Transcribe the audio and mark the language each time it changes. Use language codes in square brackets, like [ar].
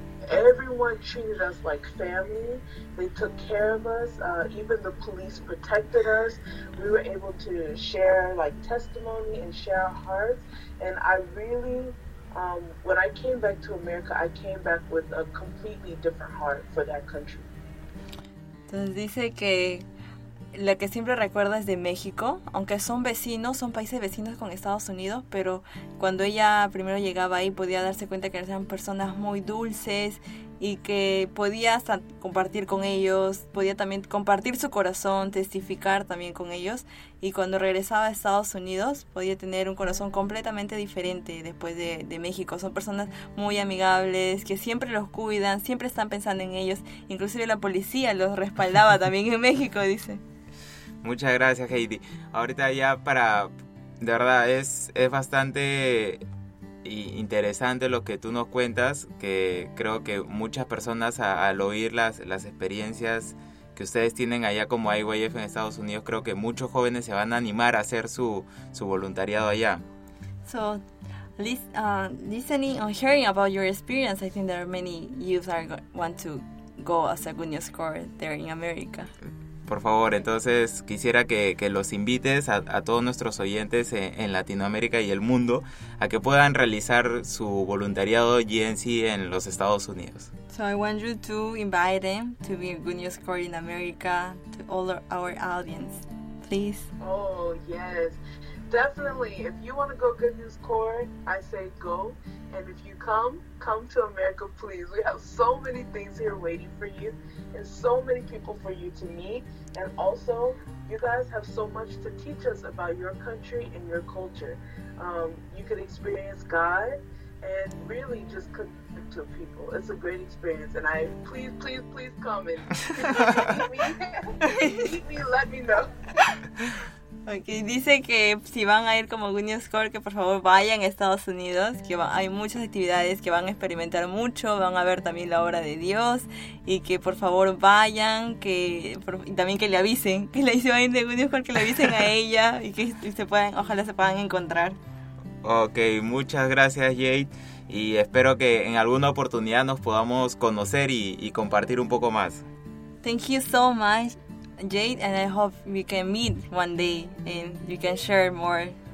[en] Everyone treated us like family. They took care of us. Even the police protected us. We were able to share like testimony and share our hearts. And I really, when I came back to America, I came back with a completely different heart for that country. [es] Entonces dice que lo que siempre recuerda es de México, aunque son vecinos, son países vecinos con Estados Unidos, pero cuando ella primero llegaba ahí podía darse cuenta que eran personas muy dulces y que podía hasta compartir con ellos, podía también compartir su corazón, testificar también con ellos. Y cuando regresaba a Estados Unidos, podía tener un corazón completamente diferente después de México. Son personas muy amigables, que siempre los cuidan, siempre están pensando en ellos. Inclusive la policía los respaldaba también en México, dice. Muchas gracias, Heidi. Ahorita ya para... De verdad, es bastante interesante lo que tú nos cuentas, que creo que muchas personas al oír las experiencias que ustedes tienen allá como IYF en Estados Unidos, creo que muchos jóvenes se van a animar a hacer su voluntariado allá. [en] So, listening or hearing about your experience, I think there are many youths that want to go as a Good News Corps there in America. [es] Por favor, entonces quisiera que los invites a todos nuestros oyentes en Latinoamérica y el mundo a que puedan realizar su voluntariado GNC en los Estados Unidos. [en] So I want you to invite them to be a Good News Corps in America to all our audience, please. Oh, yes. Definitely. If you want to go Good News Corps, I say go. And if you come to America, please. We have so many things here waiting for you and so many people for you to meet. And also, you guys have so much to teach us about your country and your culture. You can experience God and really just connect to people. It's a great experience. And I, please come and meet me, let me know. Okay. [es] Dice que si van a ir como Good News Corps, que por favor vayan a Estados Unidos, que hay muchas actividades, que van a experimentar mucho, van a ver también la obra de Dios, y que por favor vayan, también que le avisen, que le dicen de Good News Corps, que le avisen a ella, y que ojalá se puedan encontrar. Okay, muchas gracias, Jade, y espero que en alguna oportunidad nos podamos conocer y compartir un poco más. [en] Thank you so much, Jade, and I hope we can meet one day and you can share more.